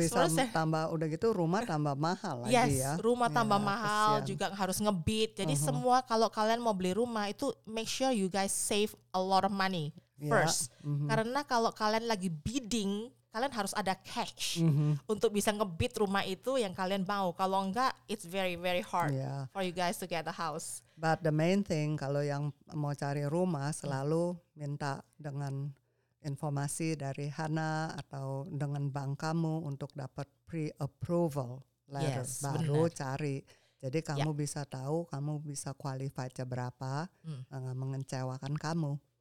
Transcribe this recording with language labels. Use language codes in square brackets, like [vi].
[id] Bisa tambah udah gitu rumah tambah mahal lagi [en] yes, [id] ya. Yes, rumah tambah mahal, kesian. Juga harus ngebit. Jadi semua kalau kalian mau beli rumah itu [en] make sure you guys save a lot of money. [id] First, karena kalau kalian lagi bidding, kalian harus ada cash untuk bisa ngebid rumah itu yang kalian mau. Kalau enggak, [en] it's very very hard for you guys to get the house. But the main thing, [id] kalau yang mau cari rumah selalu minta dengan informasi dari Hanna atau dengan bank kamu untuk dapat pre-approval letter baru cari. Jadi kamu bisa tahu kamu bisa qualified seberapa, enggak mengecewakan kamu.